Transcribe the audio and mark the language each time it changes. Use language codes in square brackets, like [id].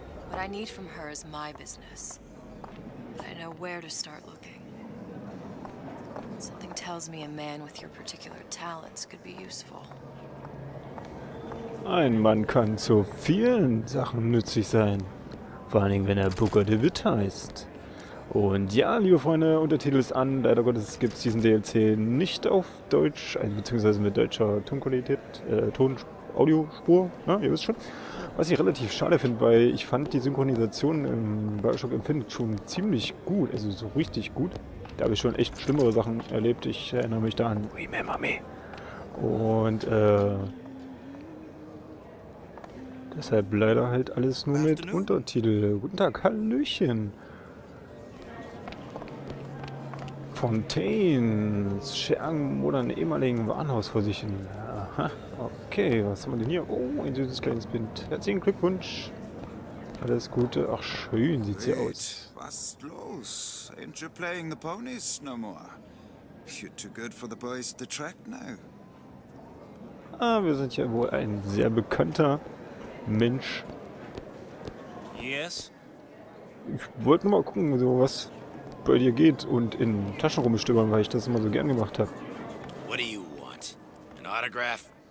[de] Was ich von ihr brauche, ist mein Business. Aber ich weiß, wo zu schauen. [en] Something tells me a man with your particular talents could be useful. [de] Ein Mann kann zu vielen Sachen nützlich sein. Vor allen Dingen, wenn er Booker DeWitt heißt. Und ja, liebe Freunde, Untertitel ist an. Leider Gottes gibt es diesen DLC nicht auf Deutsch, beziehungsweise mit deutscher Tonqualität, Audiospur, ja, ihr wisst schon. Was ich relativ schade finde, weil ich fand die Synchronisation im Bioshock Infinite schon ziemlich gut, also so richtig gut. Da habe ich schon echt schlimmere Sachen erlebt. Ich erinnere mich da an Remember Me. Und deshalb leider halt alles nur mit Untertitel. Guten Tag, Hallöchen. Fontaines Schergen oder ein ehemaligen Warenhaus vor sich hin. Aha, okay, was haben wir denn hier? Oh, ein süßes kleines Kind. Herzlichen Glückwunsch. Alles Gute. Ach, schön sieht sie aus. Was ist los? [en] Ain't you playing the ponies no more? You're too good for the boys at the track now. [de] Ah, wir sind ja wohl ein sehr bekannter Mensch. [en] Yes? [de] Ich wollte nur mal gucken, so was bei dir geht und in Taschen rumstöbern, weil ich das immer so gern gemacht habe. [en] What do you want? An autograph?